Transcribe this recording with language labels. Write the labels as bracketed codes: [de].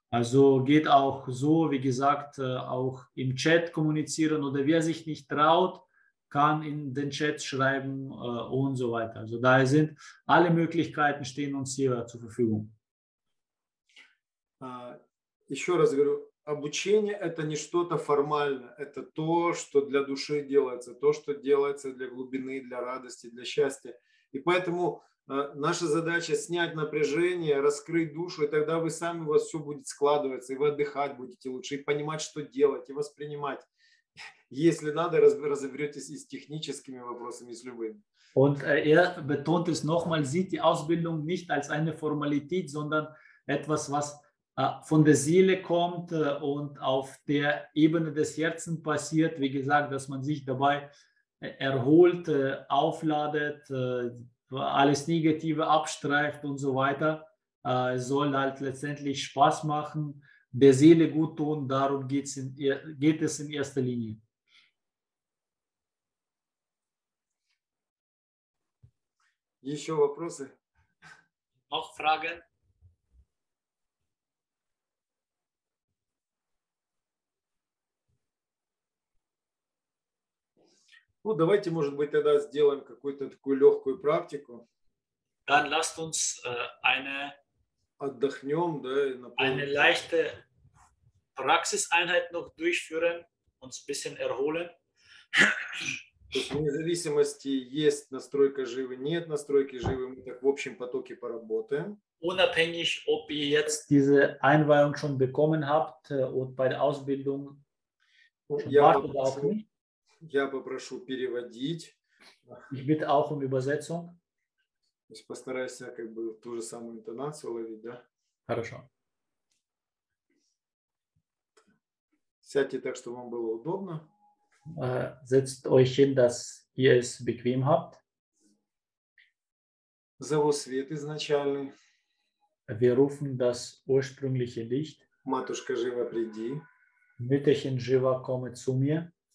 [de] Also geht auch so, wie gesagt, auch im Chat kommunizieren oder wer sich nicht traut, kann in den Chat schreiben und so weiter. Also da sind alle Möglichkeiten stehen uns hier zur Verfügung. [ru] Еще раз говорю, обучение это не что-то формальное, это то, что для души делается, то, что делается для глубины, для радости, для счастья. И поэтому Наша задача снять напряжение, раскрыть душу, и тогда вы сами, у вас все будет складываться, и вы отдыхать будете лучше, и понимать, что делать, и воспринимать. Если надо, разберетесь и с техническими вопросами, и с любыми. [de] Und er betont es nochmal, sieht die Ausbildung nicht als eine Formalität, sondern etwas, was von der Seele kommt und auf der Ebene des Herzens passiert. Wie gesagt, dass man sich dabei erholt, aufladet, alles Negative abstreift und so weiter. Es soll halt letztendlich Spaß machen, der Seele gut tun, darum geht es in erster Linie. [ru] Еще вопросы? [de] Noch Fragen? [ru] Ну, давайте, может быть, тогда сделаем какую-то такую легкую практику. [de] Dann lasst uns eine [ru] отдохнем, да, [de] eine leichte Praxiseinheit noch durchführen, uns ein bisschen erholen. [ru] То есть вне зависимости, есть настройка живы, нет настройки живы, мы так в общем потоке поработаем. [de] Unabhängig, ob ihr jetzt diese Einweihung schon bekommen habt und bei der Ausbildung [ru] я попрошу переводить. [de] Ich bitte auch um Übersetzung. Ich [ru] постараюсь как бы ту же самую интонацию ловить, да? Хорошо. Сядьте так, чтобы вам было удобно. [de] Setzt euch hin, dass ihr es bequem habt. [ru] Зову свет изначальный. [de] Wir rufen das ursprüngliche Licht. [ru] Матушка жива, приди. [de] Mütterchen жива, komme zu mir.